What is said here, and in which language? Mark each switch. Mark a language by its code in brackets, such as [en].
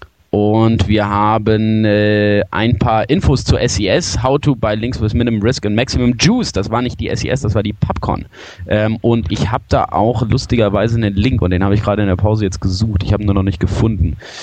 [de] Und wir haben ein paar Infos zur SES. [en] How to buy links with minimum risk and maximum juice. [de] Das war nicht die SES, das war die Popcorn. Und ich habe da auch lustigerweise einen Link. Und den habe ich gerade in der Pause jetzt gesucht. Ich habe ihn nur noch nicht gefunden.